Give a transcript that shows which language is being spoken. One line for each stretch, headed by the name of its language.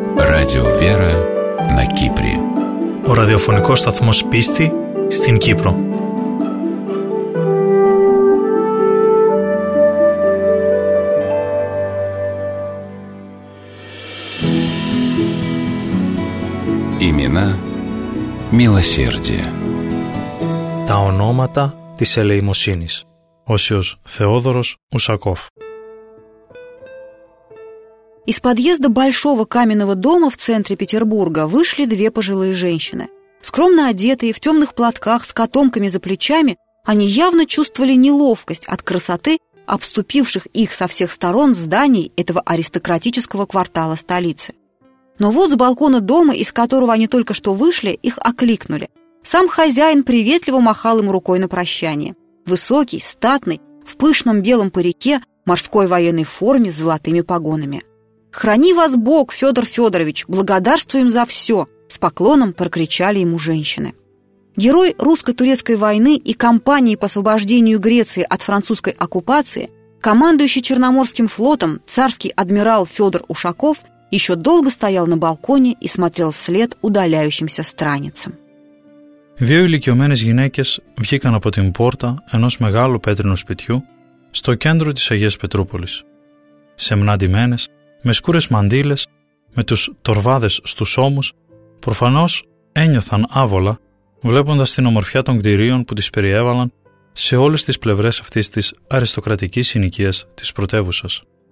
Russian: Radio Vera на Кипре.
Greek: Ο ραδιοφωνικός σταθμός πίστη στην Κύπρο.
Russian: Имена милосердия.
Greek: Τα ονόματα της ελεημοσύνης. Όσιος Θεόδωρος Ουσακόφ.
Russian: Из подъезда большого каменного дома в центре Петербурга вышли две пожилые женщины. Скромно одетые, в темных платках, с котомками за плечами, они явно чувствовали неловкость от красоты обступивших их со всех сторон зданий этого аристократического квартала столицы. Но вот с балкона дома, из которого они только что вышли, их окликнули. Сам хозяин приветливо махал им рукой на прощание. Высокий, статный, в пышном белом парике, морской военной форме с золотыми погонами. «Храни вас Бог, Федор Федорович, благодарствуем за все!» – с поклоном прокричали ему женщины. Герой русско-турецкой войны и кампании по освобождению Греции от французской оккупации, командующий Черноморским флотом, царский адмирал Федор Ушаков – еще долго стоял на балконе и смотрел вслед удаляющимся страницам.
Greek: Δύο ηλικιωμένες γυναίκες βγήκαν από την πόρτα ενός μεγάλου πέτρινου σπιτιού στο κέντρο της Αγίας Πετρούπολης. Σεμνά ντυμένες, με σκούρες μαντήλες, με τους τορβάδες στους ώμους, προφανώς ένιωθαν άβολα βλέποντας την ομορφιά των κτηρίων που τις περιέβαλαν σε όλες τις πλευρές αυτής της αριστοκρατικής συνοικίας της πρωτεύουσας.